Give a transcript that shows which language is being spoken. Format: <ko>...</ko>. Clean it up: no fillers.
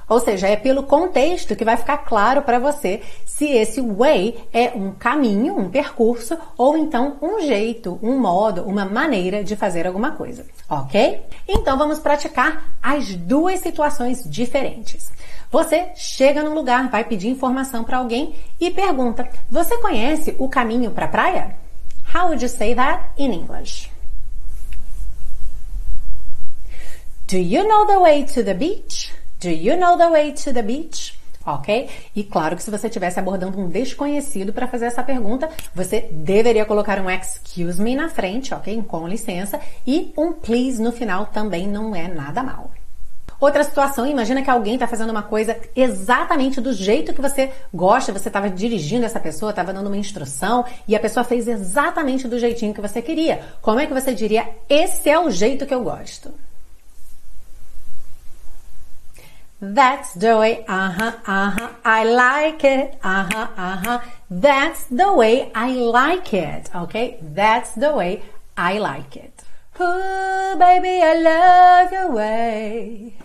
<pt>Ou seja, é pelo contexto que vai ficar claro para você se esse way é um caminho, um percurso, ou então um jeito, um modo, uma maneira de fazer alguma coisa, ok? Então vamos praticar as duas situações diferentes. Você chega num lugar, vai pedir informação para alguém e pergunta, você conhece o caminho para a praia?</pt> <en>How would you say that in English? Do you know the way to the beach? Do you know the way to the beach? Ok?</en> <pt>E claro que se você estivesse abordando um desconhecido para fazer essa pergunta, você deveria colocar um</pt> <en>excuse me</en> <pt>na frente, ok? Com licença. E um please no final também não é nada mal. Outra situação, imagina que alguém está fazendo uma coisa exatamente do jeito que você gosta, você estava dirigindo essa pessoa, estava dando uma instrução e a pessoa fez exatamente do jeitinho que você queria. Como é que você diria, esse é o jeito que eu gosto?</pt> <en>That's the way, I like it, that's the way I like it, ok? That's the way I like it. Ooh, baby, I love your way.</en>